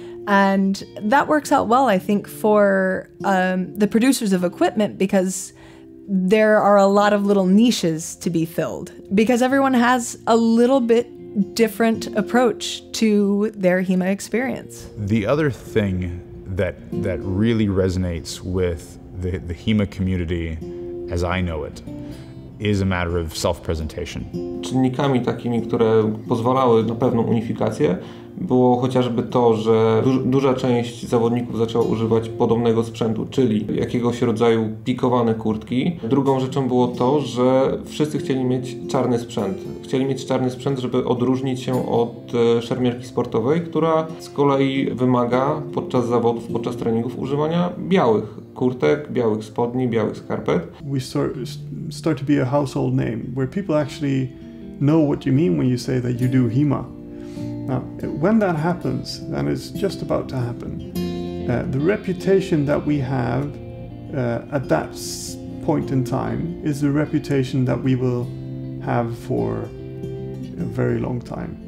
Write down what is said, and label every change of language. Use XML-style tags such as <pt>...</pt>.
<en>And that works out well, I think, for the producers of equipment, because there are a lot of little niches to be filled, because everyone has a little bit different approach to their HEMA experience. The other thing that really resonates with the HEMA community, as I know it, is a matter of self-presentation.</en> <pl>Czynnikami takimi, które pozwalały na pewną unifikację, było chociażby to, że duża część zawodników zaczęła używać podobnego sprzętu, czyli jakiegoś rodzaju pikowane kurtki. Drugą rzeczą było to, że wszyscy chcieli mieć czarny sprzęt. Chcieli mieć czarny sprzęt, żeby odróżnić się od szermierki sportowej, która z kolei wymaga podczas zawodów, podczas treningów używania białych kurtek, białych spodni, białych skarpet.</pl> <en>We start to be a household name, where people actually know what you mean when you say that you do HEMA. Now, when that happens, and it's just about to happen, the reputation that we have at that point in time is the reputation that we will have for a very long time.</en>